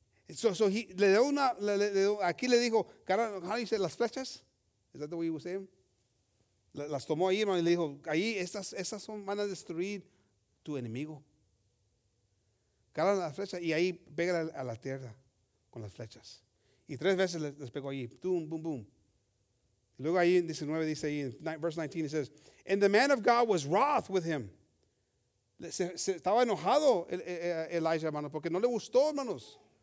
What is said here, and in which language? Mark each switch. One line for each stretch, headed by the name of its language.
Spanish: So he le dio una le aquí le dijo, ¿cómo dice las flechas?
English: Is that the way you say them?
Spanish: Las tomó ahí, hermano, y le dijo, ahí esas son van a destruir tu enemigo. Cargan las flechas y ahí pega a la tierra con las flechas. Y tres veces les pegó allí, boom, boom, boom. Luego ahí en 19 dice ahí,
English: verse 19, it says, and the man of God was wroth with him.
Spanish: Se estaba enojado Elijah, hermano, porque no le gustó, hermanos.